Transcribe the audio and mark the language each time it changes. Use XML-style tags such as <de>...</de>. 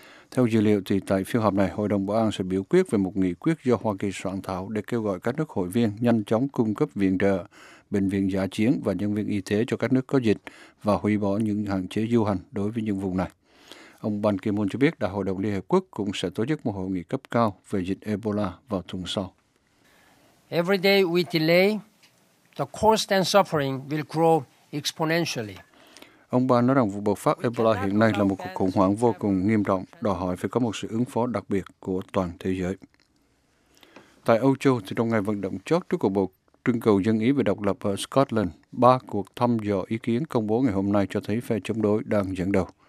<vi>Theo dữ liệu, thì tại phiên họp này, Hội đồng Bảo an sẽ biểu quyết về một nghị quyết do Hoa Kỳ soạn thảo để kêu gọi các nước hội viên nhanh chóng cung cấp viện trợ, bệnh viện dã chiến và nhân viên y tế cho các nước có dịch và hủy bỏ những hạn chế du hành đối với những vùng này. Ông Ban Ki-moon cho biết Đại hội đồng Liên Hiệp Quốc cũng sẽ tổ chức một hội nghị cấp cao về dịch Ebola vào tuần sau.</vi> <en>Every day we delay, the cost and suffering will grow exponentially.</en> <vi>Ông Ban nói rằng vụ bùng phát Ebola hiện nay là một cuộc khủng hoảng vô cùng nghiêm trọng, đòi hỏi phải có một sự ứng phó đặc biệt của toàn thế giới. Tại Âu Châu, thì trong ngày vận động chót trước cuộc bầu trưng cầu dân ý về độc lập ở Scotland, ba cuộc thăm dò ý kiến công bố ngày hôm nay cho thấy phe chống đối đang dẫn đầu.</vi>